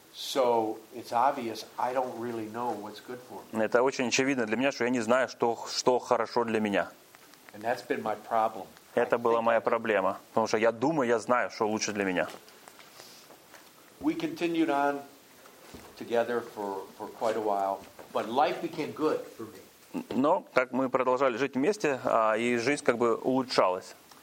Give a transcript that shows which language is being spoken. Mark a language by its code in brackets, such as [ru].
[en] So it's obvious I don't really know what's good for me. [ru] Это очень очевидно для меня, что я не знаю, что хорошо для меня. [en] And that's been my problem. [ru] Это была моя проблема, потому что я думаю, я знаю, что лучше для меня. [en] We continued on together for quite a while, but life became good for me. [ru] Но как мы продолжали жить вместе, и жизнь улучшалась.